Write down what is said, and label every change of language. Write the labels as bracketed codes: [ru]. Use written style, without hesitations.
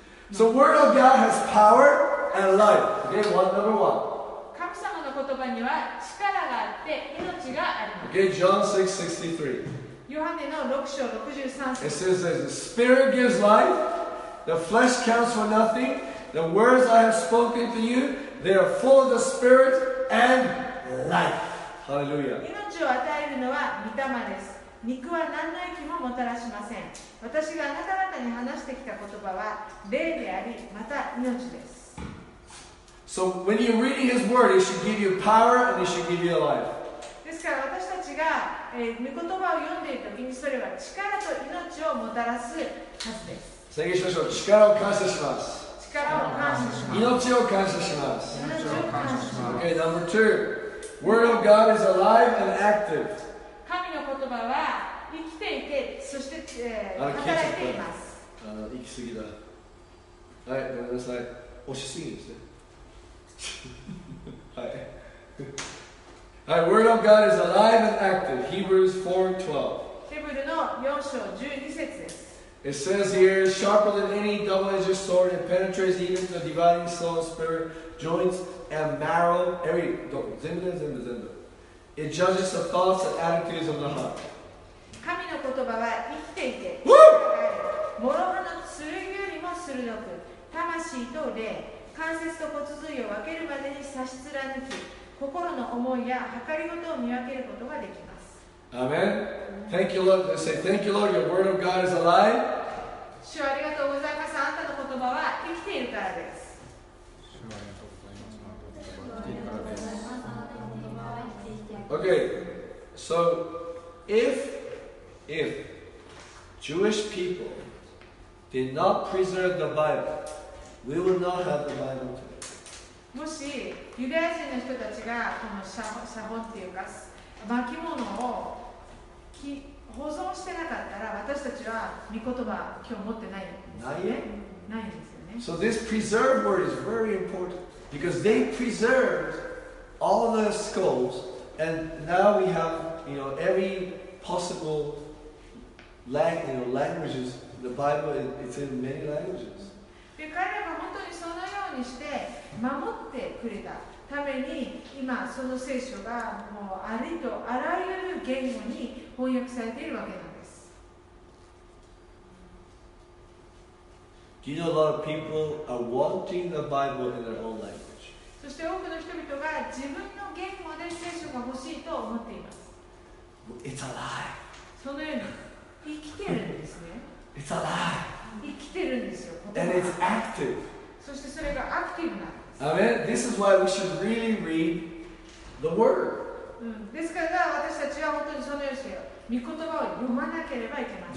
[en] So word of God has power and life. Okay, one number one. [ja] 神様の言葉には力があって命があります。 [en] Okay, John 6:63. [ja] ヨハネの6章63 節。 [en] It says, the Spirit gives life, the flesh counts for nothing. The words I have spoken to you, they are full of the Spirit and life. Hallelujah. [ja] 命を与えるのは御霊です。肉は何の益ももたらしません。私があなた方に話してきた言葉は霊であり、また命です。 [en] So when you're reading his word, it should give you power and it should give you life. [ja] ですから私たちが、御言葉を読んでいるときに、それは力と命をもたらすはずです。宣言しましょう。力を感謝します。力を感謝します。命を感謝します。命を感謝します。 [en] Okay, number two. Word of God is alive and active. [ja] 神の言葉は生きていて、そして、働いています。行き過ぎだ。はい、ごめんなさい。押しすぎですね。 [en] はい、Word of God is alive and active. Hebrews 4:12. [ja] ヘブルの4章12節です。 [en] It says here, sharper than any double-edged sword, it penetrates even the dividing soul, spirit, joints, and marrow. [ja] Every, 全部全部全部。 [en] It judges the thoughts and attitudes of the heart. [ja] 神の言葉は生きていて、諸刃の剣よりも鋭く、魂と霊、関節と骨髄を分けるまでに差し貫き、心の思いや計りごとを見分けることができます。 [en] Amen. Thank you, Lord. Let's say, thank you, Lord. Your word of God is alive. [ja] 主ありがとうございます。あなたの言葉は生きているからです。主ありがとうございます。あなたの言葉は生きているからです。 [en] Okay. So, if Jewish people did not preserve the Bible, we would not have the Bible today. [ja] もしユダヤ人の人たちがこの写本っていうか巻物を保存してなかったら、私たちは御言葉を今日持ってないんですよね。ないよ。ないんですよね。 [en] So this preserved word is very important because they preserved all the scrolls and now we have, you know, every possible languages. The Bible, it's in many languages. [ja] で、彼らが本当にそのようにして守ってくれたために、今その聖書がもうありとあらゆる言語に翻訳されているわけなんです。 [en] Do you know a lot of people are wanting the Bible in their own language? [ja] そして多くの人々が自分の言語で聖書が欲しいと思っています。 [en] It's alive. [ja] そのように生きてるんですね。 [en] It's alive. [ja] 生きてるんですよ。 [en] And it's active. [ja] そしてそれがアクティブなんです。 [en] This is why we should really read the word. [ja] ですから私たちは本当にそのようにして御言葉を読まなければいけません。